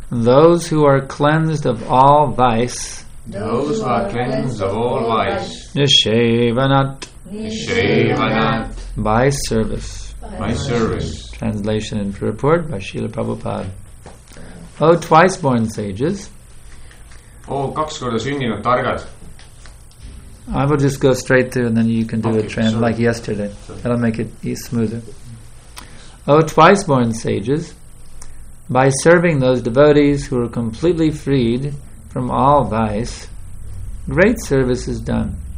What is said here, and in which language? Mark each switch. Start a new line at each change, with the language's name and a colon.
English: Those who are cleansed of all vice. Those who are cleansed of all vice.
Sanskrit: Nishevanat. Nishevanat.
English: By service. By service. Translation and purport by Srila Prabhupada. O twice born sages.
Estonian: O kaks korda sünninud targad.
English: I will just go straight through and then you can do a trend like yesterday. That'll make it smoother. O twice born sages. By serving those devotees who are completely freed from all vice, great service is done.